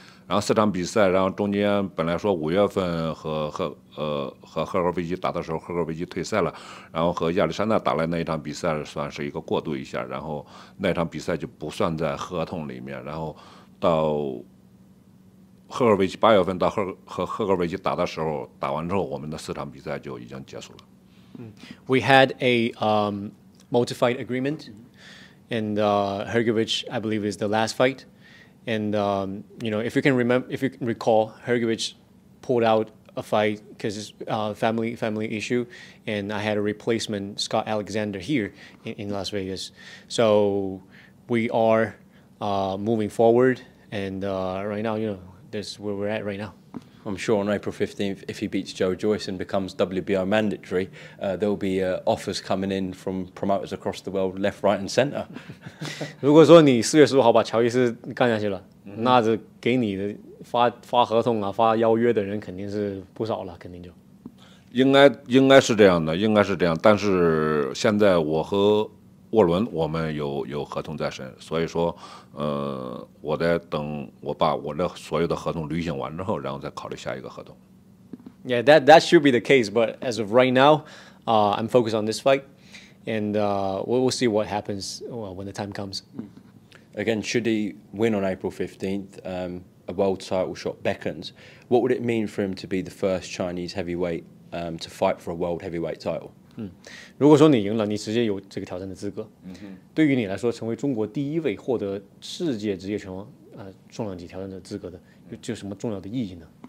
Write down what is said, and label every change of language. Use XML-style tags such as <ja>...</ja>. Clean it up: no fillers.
<zh>然后四场比赛，然后中间本来说五月份和赫尔维奇打的时候，赫尔维奇退赛了，然后和亚历山大打了那一场比赛算是一个过渡一下，然后那场比赛就不算在合同里面，然后到赫尔维奇八月份到和赫尔维奇打的时候，打完之后我们的四场比赛就已经结束了。</zh> <en>We had a modified agreement, and Hergovic, I believe, is the last fight. And, you know, if you can recall, Hergovic pulled out a fight because it's a family issue. And I had a replacement, Scott Alexander, here in Las Vegas. So we are moving forward. And right now, you know, this is where we're at right now. I'm sure on April 15th, if he beats Joe Joyce and becomes WBO mandatory, there'll be offers coming in from promoters across the world, left, right, and center.</en> <zh>如果说你四月十五号把乔伊斯干下去了， mm-hmm. 那这给你的发合同啊、发邀约的人肯定是不少了，肯定就。应该是这样的，应该是这样。但是现在我和沃伦，我们有合同在身，所以说，我在等我把我的所有的合同履行完之后，然后再考虑下一个合同。</zh> <en>Yeah, that should be the case. But as of right now, I'm focused on this fight, and we'll see what happens when the time comes. Again, should he win on April 15th, a world title shot beckons. What would it mean for him to be the first Chinese heavyweight to fight for a world heavyweight title?</en> <zh>如果说你赢了，你直接有这个挑战的资格。对于你来说，成为中国第一位获得世界职业拳王重量级挑战的资格的，这有什么重要的意义呢？</zh>